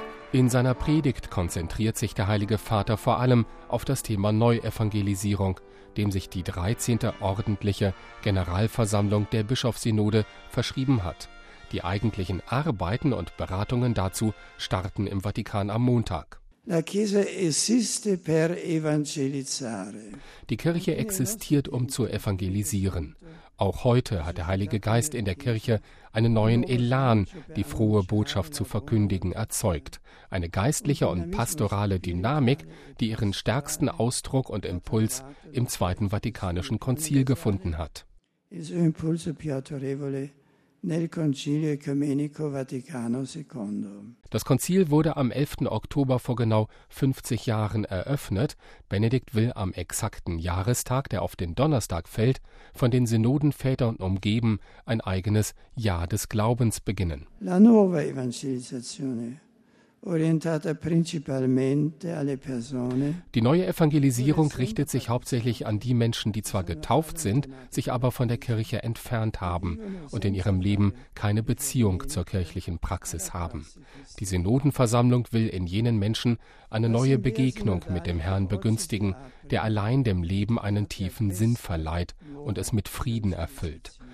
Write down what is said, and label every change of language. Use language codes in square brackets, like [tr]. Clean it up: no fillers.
[de] In seiner Predigt konzentriert sich der Heilige Vater vor allem auf das Thema Neuevangelisierung, dem sich die 13. ordentliche Generalversammlung der Bischofssynode verschrieben hat. Die eigentlichen Arbeiten und Beratungen dazu starten im Vatikan am Montag. [it] La Chiesa esiste per evangelizzare. [de] Die Kirche existiert, um zu evangelisieren. Auch heute hat der Heilige Geist in der Kirche einen neuen Elan, die frohe Botschaft zu verkündigen, erzeugt. Eine geistliche und pastorale Dynamik, die ihren stärksten Ausdruck und Impuls im 2. Vatikanischen Konzil gefunden hat. [it] Il suo impulso più autorevole nel Concilio Ecumenico Vaticano II. [de] Das Konzil wurde am 11. Oktober vor genau 50 Jahren eröffnet. Benedikt will am exakten Jahrestag, der auf den Donnerstag fällt, von den Synodenvätern umgeben, ein eigenes Jahr des Glaubens beginnen. [it] La nuova evangelizzazione. Orientata principalmente alle persone. [de] Die neue Evangelisierung richtet sich hauptsächlich an die Menschen, die zwar getauft sind, sich aber von der Kirche entfernt haben und in ihrem Leben keine Beziehung zur kirchlichen Praxis haben. Die Synodenversammlung will in jenen Menschen eine neue Begegnung mit dem Herrn begünstigen, der allein dem Leben einen tiefen Sinn verleiht und es mit Frieden erfüllt.